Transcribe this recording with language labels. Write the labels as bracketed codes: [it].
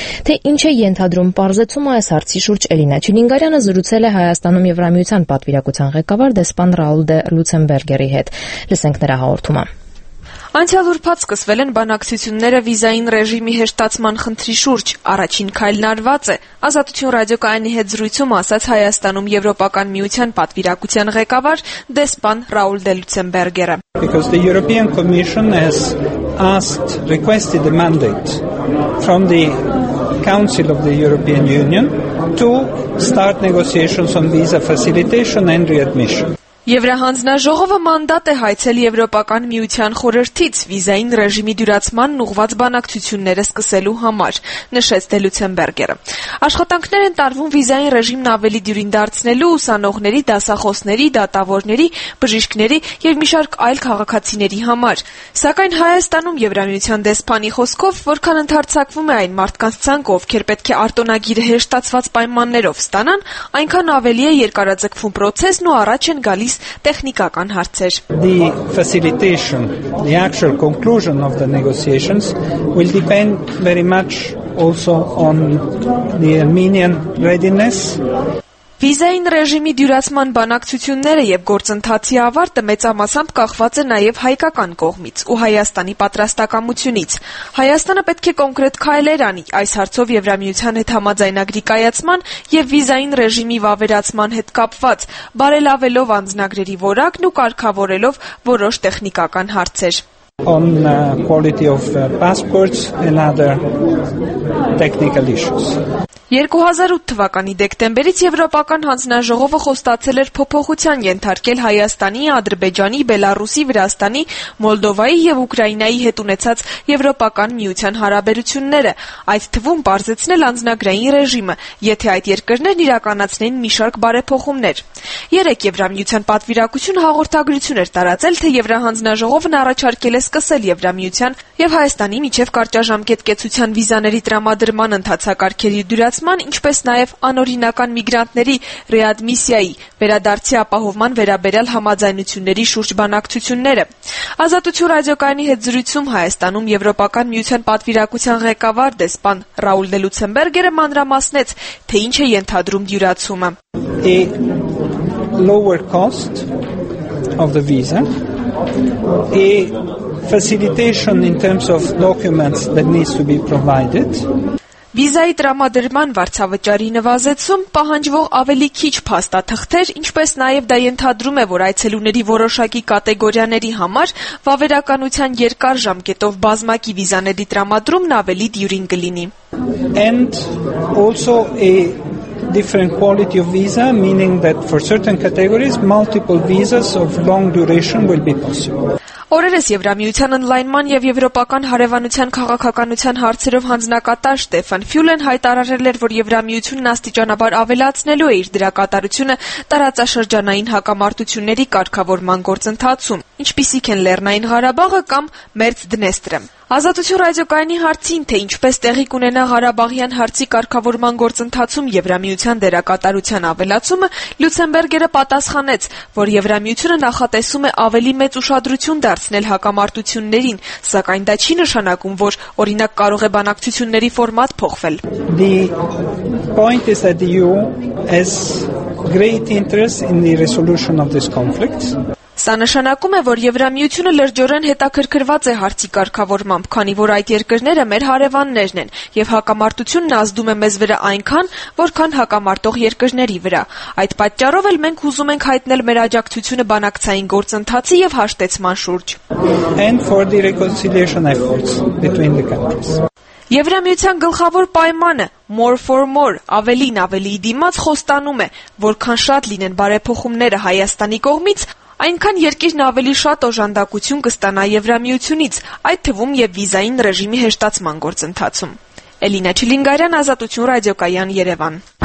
[hy] Թե ինչ է ենթադրում պարզեցումը, այս հարցի շուրջ Էլինա Չինգարյանը զրուցել է Հայաստանում Եվրամիության պատվիրակության ղեկավար դեսպան Ռաուլ դե Լուցենբերգերի հետ։ Լսենք նրա հաղորդումը։ Անցյալ ուրբաթ սկսվել են բանակցությունները վիզային ռեժիմի հեշտացման խնդրի շուրջ, առաջին քայլն արված է, Ազատություն ռադիոկայանի հետ զրույցում ասաց Հայաստանում Եվրոպական միության պատվիրակության ղեկավար դեսպան Ռաուլ դե Լուցենբերգերը։ [en] Because the European Commission has asked, requested a mandate from the Council of the European Union to start negotiations on visa facilitation and readmission. [hy] Եվրահանձնաժողովը մանդատ է հայցել Եվրոպական միության խորհրդից վիզային ռեժիմի դյուրացման ուղված բանակցությունները սկսելու համար, նշեց Դե Լուցենբերգերը։ Աշխատանքներ են տարվում վիզային ռեժիմն ավելի դյուրին դարձնելու ուսանողների, դասախոսների, դատավորների, բժիշկների եւ մի շարք այլ քաղաքացիների համար։ Սակայն Հայաստանում Եվրամիության դեսպանի խոսքով, որքան ընդարձակվում է այն մարդկանց ցանկ, ովքեր պետք է արտոնագիրը հեշտացված պայմաններով ստանան, այնքան ավելի է երկարաձգվում պրոցեսն ու առաջ են գալիս տեխնիկական հարցեր։ [en] The facilitation, the actual conclusion of the negotiations will depend very much also on the Armenian readiness. [hy] Վիզային ռեժիմի դյուրացման բանակցությունները եւ գործընթացի ավարտը մեծամասամբ կախված է նաեւ հայկական կողմից ու Հայաստանի պատրաստակամությունից։ Հայաստանը պետք է կոնկրետ քայլեր անի այս հարցով Եվրամիության հետ համաձայնագրի կայացման եւ վիզային ռեժիմի վավերացման հետ կապված, բարելավելով անձնագրերի որակն ու կարգավորելով որոշ տեխնիկական հարցեր։ [en] On quality of passports and other technical issues. [hy] 2008 թվականի դեկտեմբերից Եվրոպական հանձնաժողովը խոստացել էր փոփոխության ենթարկել Հայաստանի, Ադրբեջանի, Բելարուսի, Վրաստանի, Մոլդովայի եւ Ուկրաինայի հետ ունեցած Եվրոպական միության հարաբերությունները, այդ թվում պարզեցնել անձնագրային ռեժիմը, եթե այդ երկրներն իրականացնեն մի շարք բարեփոխումներ։ Երեք Եվրամիության պատվիրակություն հաղորդագրություն էր տարածել, թե Եվրահանձնաժողովն առաջարկել է սկսել Եվրամիության եւ Հայաստանի միջև կարճաժամկետ կեցության վիզաների տրամադրման ընթացակարգերի դրացման, ինչպես նաև անօրինական միգրանտների ռեադմիսիայի վերադարձի ապահովման վերաբերյալ համաձայնությունների շուրջ բանակցությունները։ Ազատություն ռադիոկայանի հետ զրույցում Հայաստանում Եվրոպական միության պատվիրակության ղեկավար դեսպան Ռաուլ դե Լուցենբերգերը մանրամասնեց, թե ինչ է ենթադրում դյուրացումը. [en] The lower cost of the visa, a facilitation in terms of documents that needs to be provided. [hy] Վիզայի տրամադրման վարձավճարի նվազեցում պահանջվող ավելի քիչ փաստաթղթեր, ինչպես նաև դա ենթադրում է, որ այցելուների որոշակի կատեգորիաների համար վավերականության երկար ժամկետով բազմակի վիզաների տրամադրումն ավելի դյուրին կլինի. [en] And also a different quality of visa, meaning that for certain categories multiple visas of long duration will be possible. [hy] Օրերս Եվրամիության ընդլայնման եւ Եվրոպական հարևանության քաղաքականության հարցերով հանձնակատար Ստեֆան Ֆյուլեն հայտարարել էր, որ Եվրամիությունն աստիճանաբար ավելացնելու է իր դրակատարությունը տարածաշրջանային հակամարտությունների կարգավորման գործընթացում, ինչպիսիք են Լեռնային Ղարաբաղը կամ Մերձ Դնեստրը։ Ազատություն ռադիոկայանի հարցին, թե ինչպես տեղի կունենա Ղարաբաղյան հարցի կարգավորման գործընթացում Եվրամիության դերակատարության ավելացումը, Լյուցենբերգերը պատասխանեց, որ Եվրամիությունը նախատեսում է ավելի մեծ ուշադրություն դարձնել հակամարտություններին, սակայն դա չի նշանակում, որ օրինակ կարող է բանակցությունների ֆորմատ փոխվել։ [en] The point is that you has great interest in the resolution of this conflict. [hy] Սա նշանակում է, որ Եվրամիությունը լրջորեն հետաքրքրված է հարցի կարգավորմամբ, քանի որ այդ երկրները մեր հարևաններն են, եւ հակամարտությունն ազդում է մեզ վրա այնքան, որքան հակամարտող երկրների վրա։ Այդ պատճառով էլ մենք ուզում ենք հայտնել մեր աջակցությունը բանակցային գործընթացի եւ հաշտեցման շուրջ։ [en] And for the reconciliation efforts between the countries. [hy] Եվրամիության գլխավոր պայմանը [en] More for more, [hy] ավելին ավելի դիմաց խոստանում է, որքան շատ լինեն բարեփոխումները Հայաստանի կողմից, Այնքան երկիրն ավելի շատ օժանդակություն կստանա Եվրամիությունից, այդ թվում եւ վիզային ռեժիմի հեշտացման գործընթացում։ Էլինա Չիլինգարյան, Ազատություն ռադիոկայան, Երևան։